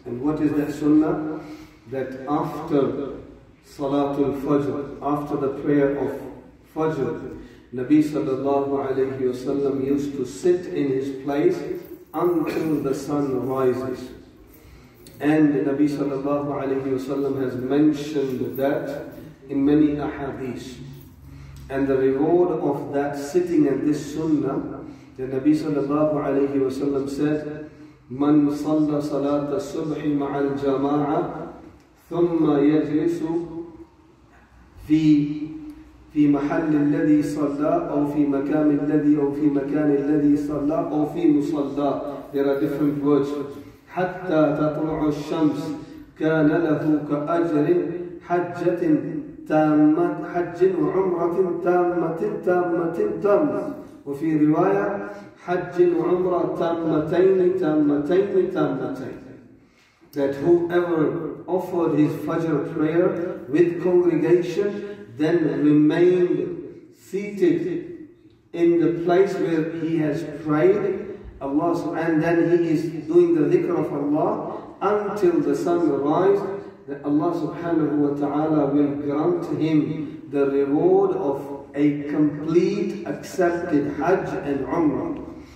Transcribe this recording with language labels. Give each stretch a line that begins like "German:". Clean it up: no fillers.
English: And what is that sunnah? That after Salatul Fajr, after the prayer of Fajr, Nabi sallallahu alayhi wa sallam used to sit in his place until the sun rises. And Nabi sallallahu alayhi wa sallam has mentioned that in many ahadith. And the reward of that sitting at this sunnah, the Nabi sallallahu alayhi wa sallam said,
Arabic: من صلى صلاة الصبح مع الجماعة ثم يجلس في محل الذي صلى أو في مكان الذي أو في مكان الذي صلى أو في مصلى.
English: There are different words.
Arabic: حتى تطلع الشمس كان له كأجر حجة تامة حج وعمرة تامة تامة تامة. وفي رواية حج وعمرة تامتين تامتين تامتين.
English: That whoever offered his Fajr prayer with congregation then remained seated in the place where he has prayed Allah, and then he is doing the dhikr of Allah until the sun rises, that Allah subhanahu wa ta'ala will grant him the reward of a complete accepted Hajj and Umrah.